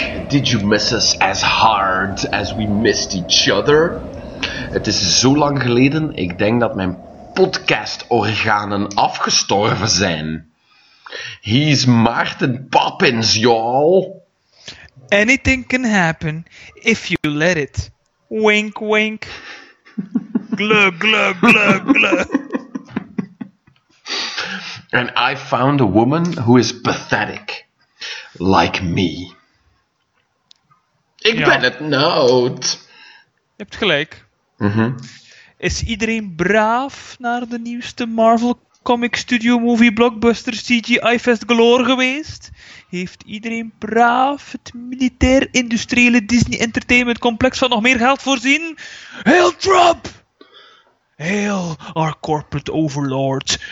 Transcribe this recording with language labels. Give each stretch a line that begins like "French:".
English: Did you miss us as hard as we missed each other?
Dutch: Het is zo lang geleden, ik denk dat mijn podcast-organen afgestorven zijn.
English: He's Maarten Poppins, y'all. Anything can happen if you let it. Wink, wink. Glug, glug, glug, glug. And I found a woman who is pathetic. Like me.
Dutch: Ik ja. Ben het nood. Je hebt gelijk. Mm-hmm. Is iedereen braaf naar de nieuwste Marvel Comic Studio Movie Blockbuster CGI Fest Galore geweest? Heeft iedereen braaf het militair-industriële Disney Entertainment Complex van nog meer geld voorzien?
English: Hail Trump! Hail our corporate overlords.